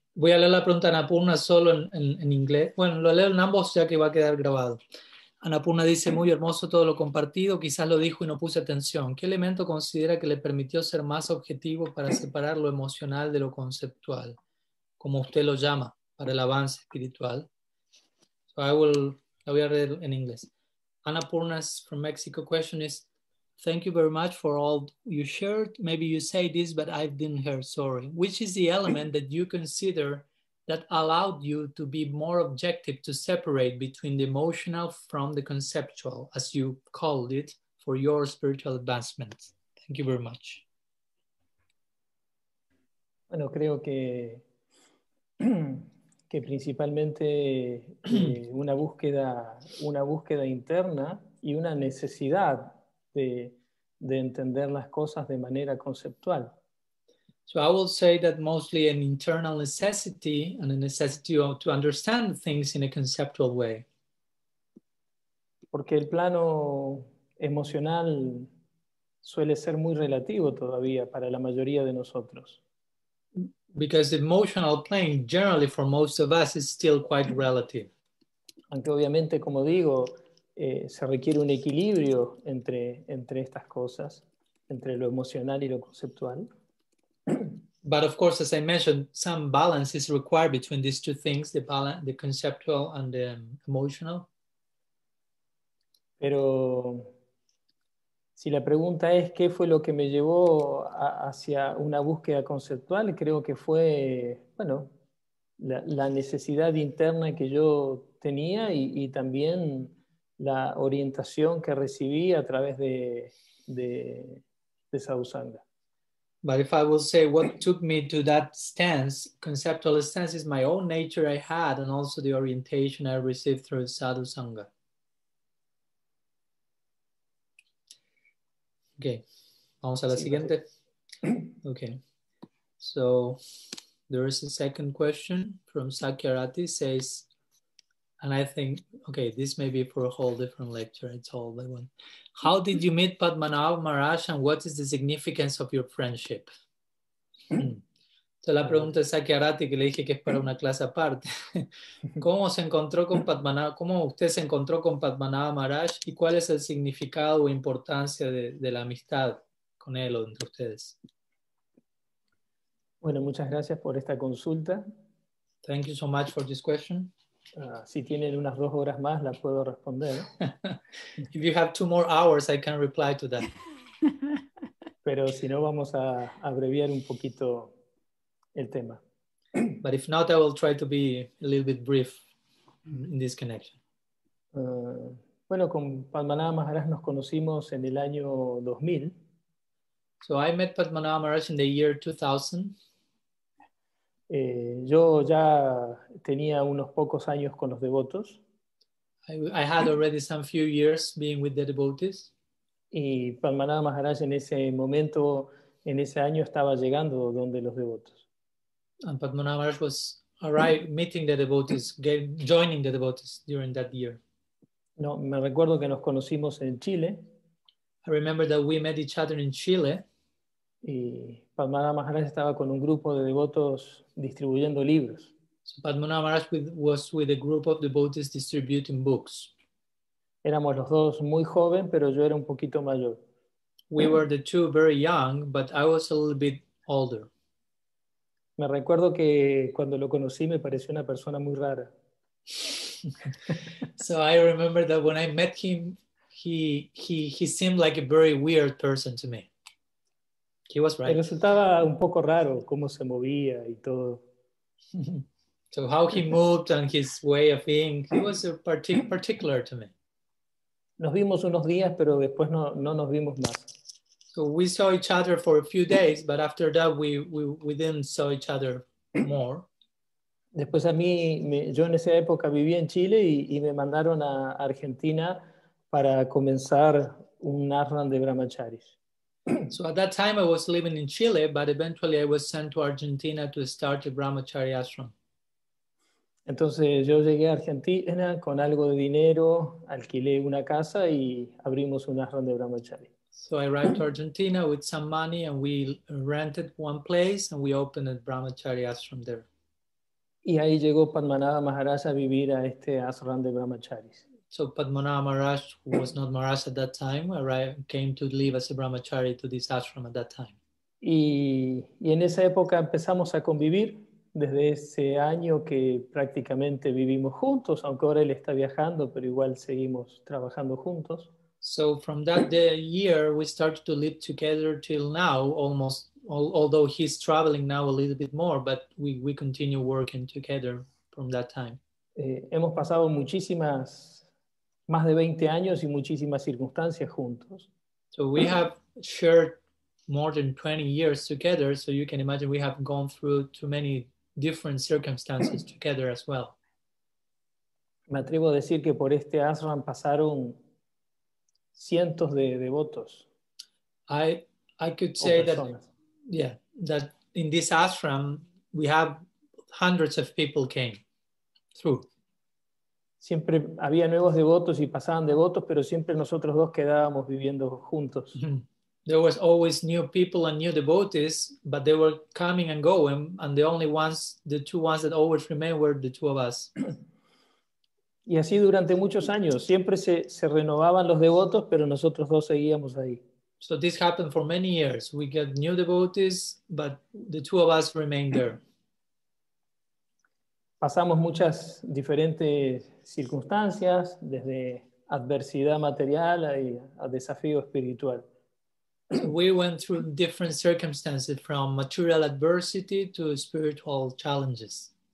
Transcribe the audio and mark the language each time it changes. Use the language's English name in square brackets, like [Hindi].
[Spanish] Voy a leer la pregunta Annapurna solo en inglés. Bueno, lo leo en ambos ya que va a quedar grabado. Annapurna dice, muy hermoso todo lo compartido, quizás lo dijo y no puse atención. ¿Qué elemento considera que le permitió ser más objetivo para separar lo emocional de lo conceptual, como usted lo llama, para el avance espiritual? So la voy a leer en inglés. [English] Annapurna's from Mexico question is, thank you very much for all you shared. Maybe you say this, but I didn't hear, sorry. Which is the element that you consider that allowed you to be more objective to separate between the emotional from the conceptual, as you called it, for your spiritual advancement? Thank you very much. [Spanish] Bueno, creo que principalmente una búsqueda interna y una necesidad de entender las cosas de manera conceptual. [English] So I will say that mostly an internal necessity and a necessity to understand things in a conceptual way. [Spanish] Porque el plano emocional suele ser muy relativo todavía para la mayoría de nosotros. [English] Because the emotional plane generally for most of us is still quite relative. [Spanish] Aunque obviamente, como digo, se requiere un equilibrio entre estas cosas, entre lo emocional y lo conceptual. [English] But of course, as I mentioned, some balance is required between these two things, the conceptual and the emotional. [Spanish] Pero si la pregunta es qué fue lo que me llevó hacia una búsqueda conceptual, creo que fue, bueno, la necesidad interna que yo tenía y también la orientación que recibí a través de Sadhusanga. [English] But if I will say what took me to that stance, conceptual stance, is my own nature I had and also the orientation I received through Sadhusanga. Okay, [Spanish] vamos a la siguiente. [English] Okay, so there is a second question from Sakyarati, says, and I think, okay, this may be for a whole different lecture, it's all the one. How did you meet Padmanabha Maharaj and what is the significance of your friendship? [Spanish] Entonces la pregunta es Sakyarati, que le dije que es para una clase aparte. ¿Cómo se encontró con Padmanabha? ¿Cómo usted se encontró con Padmanabha Maharaj y cuál es el significado o importancia de la amistad con él o entre ustedes? Bueno, muchas gracias por esta consulta. [English] Thank you so much for this question. [Spanish] Si tienen unas dos horas más, la puedo responder. [English] If you have two more hours, I can reply to that. [Spanish] Pero si no, vamos a abreviar un poquito el tema. [English] But if not, I will try to be a little bit brief in this connection. [Spanish] Bueno, con Padmanabha Maharaj nos conocimos en el año 2000. [English] So I met Padmanabha Maharaj in the year 2000. [Spanish] Yo ya tenía unos pocos años con los devotos. [English] I had already some few years being with the devotees. [Spanish] Y Padmanabha Maharaj en ese momento, en ese año, estaba llegando donde los devotos. [English] And Padmanabha Maharaj was arrived, meeting the devotees, joining the devotees during that year. [Spanish] No, me recuerdo que nos conocimos en Chile. [English] I remember that we met each other in Chile. [Spanish] Y Padmanabha Maharaj estaba con un grupo de devotos distribuyendo libros. [English] So Padmanabha Maharaj was with a group of devotees distributing books. [Spanish] Éramos los dos muy joven, pero yo era un poquito mayor. [English] We were the two very young, but I was a little bit older. [Spanish] Me recuerdo que cuando lo conocí me pareció una persona muy rara. [English] So I remember that when I met him, he seemed like a very weird person to me. He was right. [Spanish] Resultaba un poco raro cómo se movía y todo. [English] So how he moved and his way of being, he was particular to me. [Spanish] Nos vimos unos días, pero después no nos vimos más. [English] So we saw each other for a few days, but after that we didn't saw each other more. [Spanish] Después a mí, yo en esa época vivía en Chile y me mandaron a Argentina para comenzar un ashram de brahmacharis. [English] So at that time I was living in Chile, but eventually I was sent to Argentina to start a brahmacharya ashram. [Spanish] Entonces yo llegué a Argentina con algo de dinero, alquilé una casa y abrimos un ashram de brahmacharya. [English] So I arrived to Argentina with some money and we rented one place and we opened a brahmacharya ashram there. [Spanish] Y ahí llegó Padmanabha Maharaj a vivir a este ashram de brahmacharis. [English] So Padmanabha Maharaj, who was not Maharaj at that time, arrived, came to live as a brahmachari to this ashram at that time. [Spanish] Y en esa época empezamos a convivir desde ese año que prácticamente vivimos juntos, aunque ahora él está viajando, pero igual seguimos trabajando juntos. [English] So from that year we started to live together till now, almost, although he's traveling now a little bit more, but we continue working together from that time. [Spanish] Hemos pasado muchísimas más de 20 años y muchísimas circunstancias juntos. [English] So we have shared more than 20 years together, so you can imagine we have gone through too many different circumstances together as well. [Spanish] Me atrevo a decir que por este ashram pasaron cientos de devotos. [English] I could say that, yeah, that in this ashram we have hundreds of people came through. [Spanish] Siempre había nuevos devotos y pasaban devotos, pero siempre nosotros dos quedábamos viviendo juntos. [English] There was always new people and new devotees, but they were coming and going, and the only ones, the two ones that always remained were the two of us. [Spanish] Y así durante muchos años, siempre se renovaban los devotos, pero nosotros dos seguíamos ahí. [English] So this happened for many years. We got new devotees, but the two of us remained there. [Spanish] Pasamos muchas diferentes circunstancias, desde adversidad material a desafío espiritual. [English] We went through different circumstances, from material adversity to spiritual challenges.